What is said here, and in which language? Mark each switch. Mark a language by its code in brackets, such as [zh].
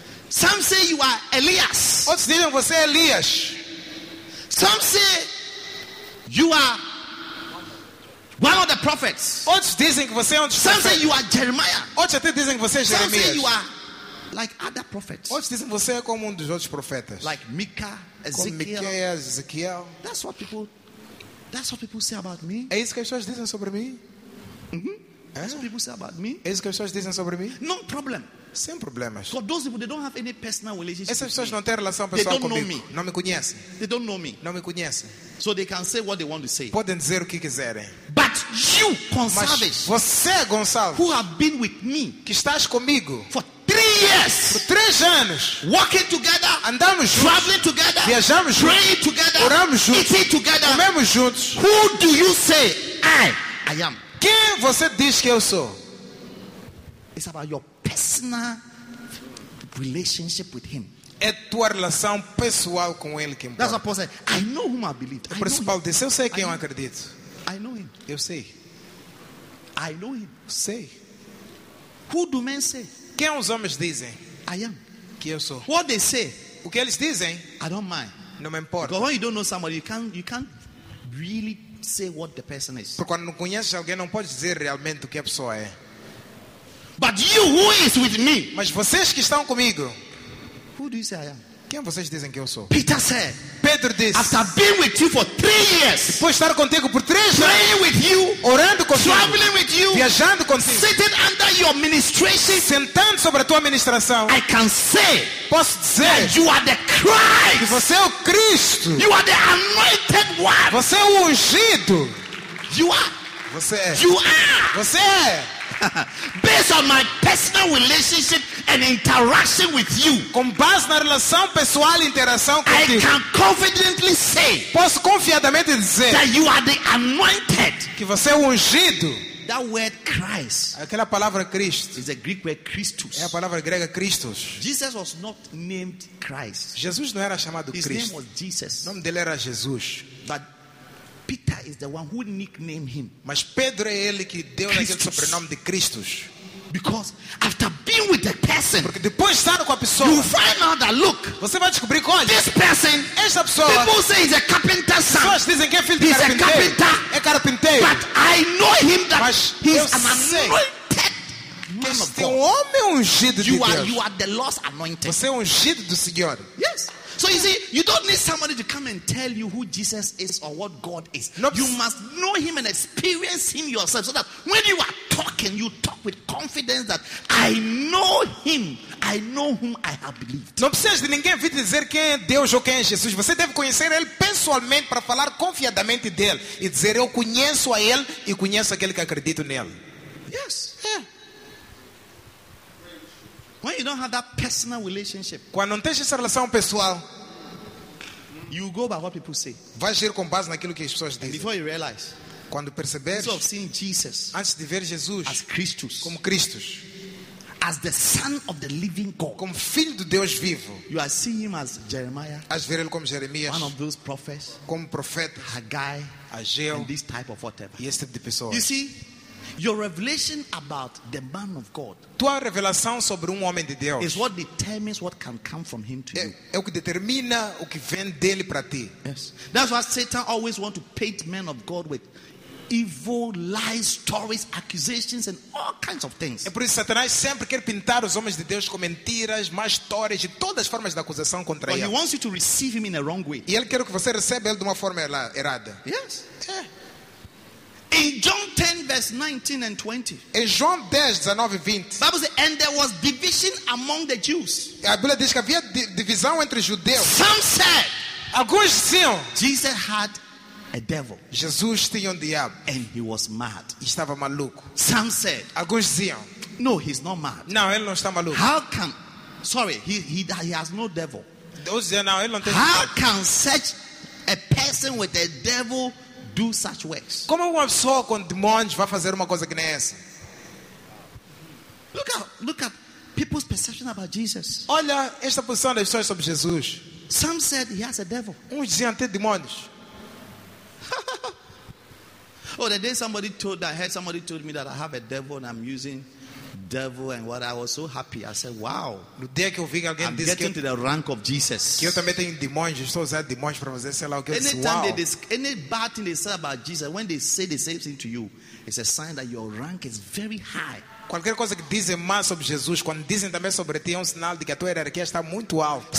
[en] Some say you are Elias. [pt] Outros dizem que você é Elias. [en] Some say you are one of the prophets. [pt] Outros dizem que você é um dos profetas. [en] Some say you are Jeremiah. [pt] Outros até dizem que você é Jeremias. [en] Some say you are like other prophets. [pt] Outros dizem que você é como um dos outros profetas. [en] Like Mica. [pt] Ezequiel. [en] That's what people say about me. [pt] É isso que as pessoas dizem sobre mim. [en] Mm-hmm. That's what people say about me. [pt] É isso que as pessoas dizem sobre mim? [en] No problem. [pt] Sem problemas. [en] For those people, they don't have any personal relationship. [pt] Essas pessoas não têm relação pessoal comigo. [en] Know me. [pt] Não me conhecem. [en] They don't know me. [pt] Não me conhecem. [en] So they can say what they want to say. [pt] Podem dizer o que quiserem. [en] But you, Gonçalves, [pt] mas você, Gonçalves, [en] who have been with me, [pt] que estás comigo, [en] for 3 years, [pt] por 3 anos, [en] walking together, [pt] andamos juntos, [en] traveling together, [pt] viajamos juntos, [en] praying together, [pt] oramos juntos, [en] eating together, [pt] comemos juntos. [en] Who do you say I am? [pt] Quem você diz que eu sou? [en] It's about your personal relationship with him. [pt] É tua relação pessoal com ele que importa. [en] That's what Paul said. I know whom I believe. [pt] O principal disse, eu sei quem eu acredito. [en] I know him. [pt] Eu sei. [en] I know him. [pt] Sei. [en] Who do men say? [pt] Quem os homens dizem? [en] I am. [pt] Que eu sou. [en] What they say? [pt] O que eles dizem? [en] I don't mind. [pt] Não me importa. [en] Because when you don't know somebody, you can't really say what the person is. [pt] Porque quando não conheces alguém, não podes dizer realmente o que a pessoa é. [en] But you who is with me? [pt] Mas vocês que estão comigo. [en] Who do you say I am? [pt] Quem vocês dizem que eu sou? [en] Peter said. [pt] Pedro disse. [en] After being with you for 3 years. [pt] Depois de estar contigo por 3 anos. [en] Praying with you. [pt] Orando contigo. [en] Traveling with you. [pt] Viajando contigo. [en] Sitting under your ministration. [pt] Sentando sobre a tua ministração. [en] I can say. [pt] Posso dizer. [en] That you are the Christ. [pt] Que você é o Cristo. [en] You are the anointed one. [pt] Você é o ungido. [en] You are. [pt] Você é. [en] You are. [pt] Você é. [en] Based on my personal relationship and interaction with you, [pt] com base na relação pessoal e interação contigo, [en] I can confidently say, [pt] posso confiadamente dizer, [en] that you are the anointed, [pt] que você é o ungido. [en] That word Christ, [pt] aquela palavra Cristo, [en] is the Greek word Christos. [pt] É a palavra grega Christos. [en] Jesus was not named Christ. [pt] Jesus não era chamado [en] His [pt] Cristo. [en] His name was Jesus. [pt] O nome dele era Jesus. [en] But Peter is the one who nicknamed him. [pt] Mas Pedro é ele que deu aquele sobrenome de Cristo. [en] Because after being with the person, [pt] porque depois de estar com a pessoa, [en] you find out that look, [pt] você vai descobrir que olha, [en] this person, [pt] esta pessoa, [en] people say he's a carpenter's son. [pt] Pessoas dizem que é filho de [en] he's [pt] carpinteiro. [en] A carpenter, [pt] é carpinteiro. [en] But I know him that [pt] mas [en] he's an anointed man of God. [pt] Este homem é ungido de [en] you [pt] Deus. [en] You are the Lord's anointed. [pt] Você é ungido do Senhor. [en] Yes. So you see, you don't need somebody to come and tell you who Jesus is or what God is. Nope. You must know him and experience him yourself so that when you are talking, you talk with confidence that I know him. I know whom I have believed. [pt] Não precisa de ninguém vir dizer quem é Deus ou quem é Jesus. Você deve conhecer ele pessoalmente para falar confiadamente dele e dizer eu conheço a ele e conheço aquele que acredito nele. [en] Yes. Yeah. When you don't have that personal relationship, [pt] quando não tens essa relação pessoal, [en] you go by what people say. [pt] Vai agir com base naquilo que as pessoas dizem. [en] And before you realize, [pt] quando perceber, [en] instead of seeing Jesus, [pt] antes de ver Jesus, [en] as Christus, [pt] como Christus, [en] as the Son of the Living God, [pt] como filho do Deus vivo, [en] you are seeing him as Jeremiah, [pt] as ver ele como Jeremias, [en] one of those prophets, [pt] como profeta, [en] Haggai, [pt] Ageu, [en] and this type of whatever, [pt] e esse tipo de pessoa. [en] You see. Your revelation about the man of God. [pt] Tua revelação sobre homem de Deus. [en] Is what determines what can come from him to you. [pt] É o que determina o que vem dele para ti. [en] Yes. That's why Satan always wants to paint men of God with evil lies, stories, accusations and all kinds of things. [pt] É por isso que Satanás sempre quer pintar os homens de Deus com mentiras, más histórias e todas as formas de acusação contra [en] But [pt] ele. [en] He wants you to receive him in a wrong way. [pt] E ele quer que você receba ele de uma forma errada. [en] Yes. [pt] É. [en] In John 10, verse 19 and 20. [pt] Em João 10, 19 e 20. [en] Bible says, and there was division among the Jews. [pt] A Bíblia diz que havia divisão entre judeus. [en] Some said, [pt] alguns diziam, [en] Jesus had a devil. [pt] Jesus tinha diabo. [en] And he was mad. [pt] E estava maluco. [en] Some said, [pt] alguns diziam, [en] no, he's not mad. [pt] Não, ele não está maluco. [en] How come? Sorry, he has no devil. Those [pt] diziam, não, ele não tem [en] How [pt] diabo. [en] Can such a person with a devil do such works? [pt] Como uma pessoa com demônios vai fazer uma coisa que nem essa? [en] Look at people's perception about Jesus. [pt] Olha esta posição das pessoas sobre Jesus. [en] Some said he has a devil. [pt] Uns diziam ter demônios. [en] Oh, the day somebody told, I heard somebody told me that I have a devil and I'm using devil and what, I was so happy. I said, wow. [pt] No dia que eu vi alguém [en] I'm getting to the rank of Jesus. [pt] Que eu também tenho demônios, estou usando demônios para fazer sei lá o que. [en] Any bad thing they say about Jesus, when they say the same thing to you, it's a sign that your rank is very high. [pt] Qualquer coisa que dizem mais sobre Jesus, quando dizem também sobre ti, é sinal de que a tua hierarquia está muito alta.